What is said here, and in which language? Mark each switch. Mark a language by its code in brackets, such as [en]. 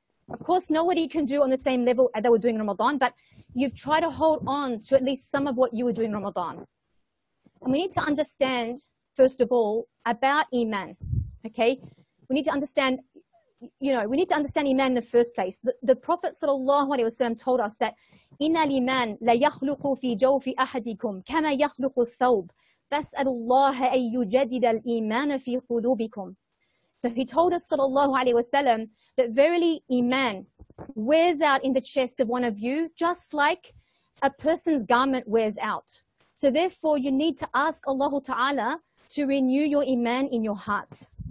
[en] Of course, nobody can do on the same level as they were doing Ramadan, but you've tried to hold on to at least some of what you were doing Ramadan. And we need to understand, first of all, about iman, okay? We need to understand, you know, we need to understand iman in the first place. The Prophet sallallahu alaihi wasallam told us that [ar] إِنَّ الْإِيمَانَ لَيَخْلُقُ فِي جَوْفِ أَحَدِكُمْ كَمَا يَخْلُقُ الثَّوْبِ فَاسْأَلُ اللَّهَ أَن يُجَدِدَ الْإِيمَانَ فِي قُلُوبِكُمْ. [en] So he told us, sallallahu alayhi wasallam, that verily iman wears out in the chest of one of you, just like a person's garment wears out. So therefore, you need to ask Allah Ta'ala to renew your iman in your heart.